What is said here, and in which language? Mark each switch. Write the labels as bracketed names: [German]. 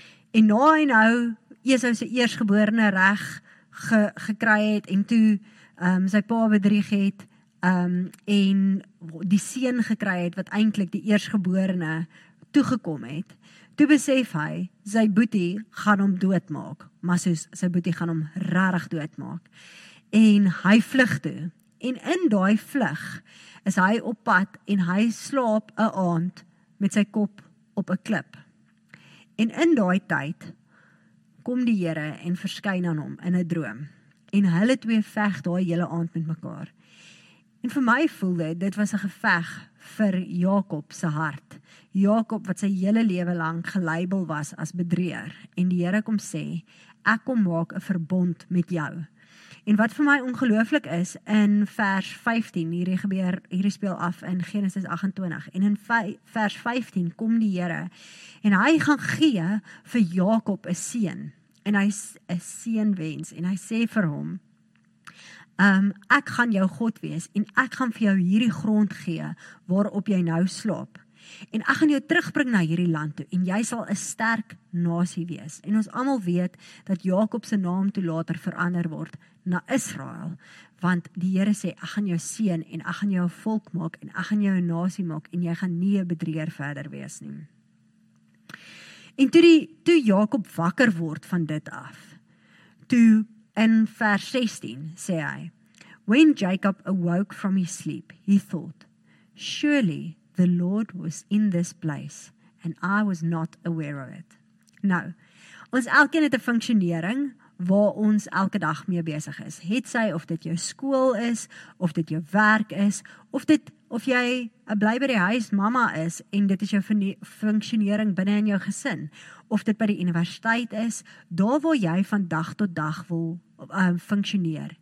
[Afrikaans] En na hy nou Esau se eersgeborene reg gekry het en toe sy pa bedrieg het en die seun gekry het wat eintlik die eersgeborene toegekom het, toe besef hy, sy boetie gaan hom doodmaak, maar soos sy boetie gaan hom regtig doodmaak. En hy vlug toe. En in daai vlug is hy op pad en hy slaap 'n aand met sy kop op 'n klip. En in daai tyd kom die Here en verskyn aan hom in 'n droom. En hulle twee veg daai hele aand met mekaar. En vir my voel dit was 'n geveg vir Jakob se hart. Jakob wat sy hele lewe lank gelabel was as bedrieër en die Here kom sê, ek kom maak 'n verbond met jou. En wat vir my ongelooflik is, in vers 15, hierdie speel af in Genesis 28, en in vers 15 kom die Here, en hy gaan gee vir Jakob 'n seun, en hy 'n seunwens, en hy sê vir hom, ek gaan jou God wees, en ek gaan vir jou hierdie grond gee, waarop jy nou slaap. En ek gaan jou terugbring na hierdie land toe en jy sal 'n sterk nasie wees. En ons almal weet dat Jakob se naam toe later verander word na Israel, want die Here sê ek gaan jou seën en ek gaan jou 'n volk maak en ek gaan jou 'n nasie maak en jy gaan nie 'n bedrieër verder wees nie. En toe Jakob wakker word van dit af. Toe in vers 16 sê hy: [English] When Jacob awoke from his sleep, he thought, surely the Lord was in this place, and I was not aware of it. [Afrikaans] Nou, ons elkeen het 'n funksionering waar ons elke dag mee besig is. Het sy of dit jou skool is, of dit jou werk is, of jy bly by die huis mama is, en dit is jou funksionering binne in jou gesin, of dit by die universiteit is, daar waar jy van dag tot dag wil funksioneer.